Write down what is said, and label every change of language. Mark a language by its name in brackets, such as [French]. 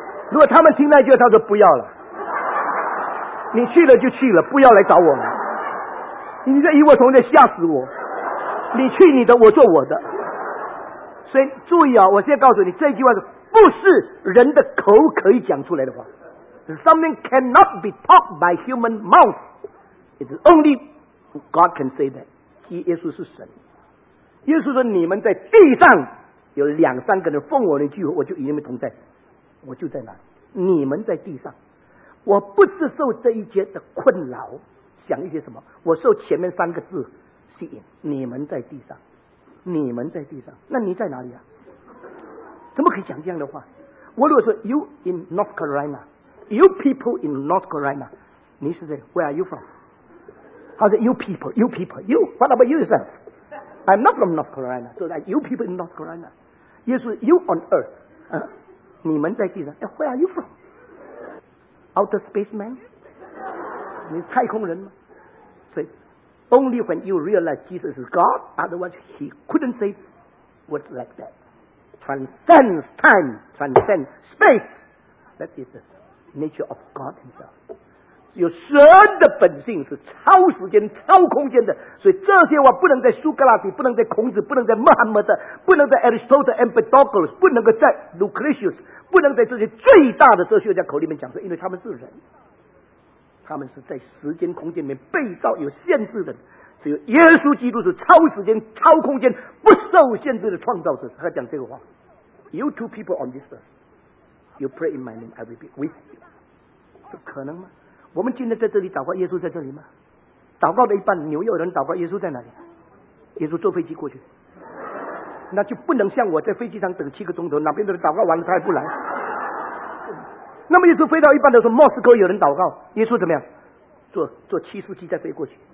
[Chinese] 如果他们听那句，他说不要了，你去了就去了，不要来找我了。你这与我同在吓死我，你去你的，我做我的。所以注意啊，我现在告诉你，这句话是不是人的口可以讲出来的话 ？ [English] Something cannot be talked by human mouth. It's only God can say that. [Chinese] 耶稣是神，耶稣说你们在地上有两三个人奉我的名聚会，我就与你们同在，我就在那里，你们在地上，我不是受这一节的困扰，想一些什么，我受前面三个字吸引，你们在地上，你们在地上，那你在哪里啊？怎么可以讲这样的话？我如果说 [English] You in North Carolina， You people in North Carolina， [Chinese] 你是谁？ [English] Where are you from？ How's it? You people, you people, you. What about you yourself? I'm not from North Carolina. So like you people in North Carolina. Yes, you on Earth. [Chinese] 你们在地上。 [English] Where are you from? Outer spaceman? [Chinese] 你太空人吗？ [English] 所以 only when you realize Jesus is God, otherwise he couldn't say words like that. Transcends time, transcends space. That is the nature of God himself. [Chinese] 有神的本性是超时间超空间的，所以这些话不能在苏格拉底，不能在孔子，不能在穆罕默德，不能在 Aristotle and Empedocles， 不能够在 Lucretius， 不能在这些最大的哲学家口里面讲出，因为他们是人，他们是在时间空间里面被造有限制的，只有耶稣基督是超时间超空间不受限制的创造者。他讲这个话， [English] You two people on this earth， You pray in my name I will be with you， [Chinese] 这可能吗？我们今天在这里祷告，耶稣在这里吗？祷告的一半，纽约人祷告，耶稣在哪里？耶稣坐飞机过去，那就不能像我在飞机上等七个钟头，哪边的人祷告完了他还不来。那么耶稣飞到一半的时候，莫斯科有人祷告，耶稣怎么样？坐七速机再飞过去。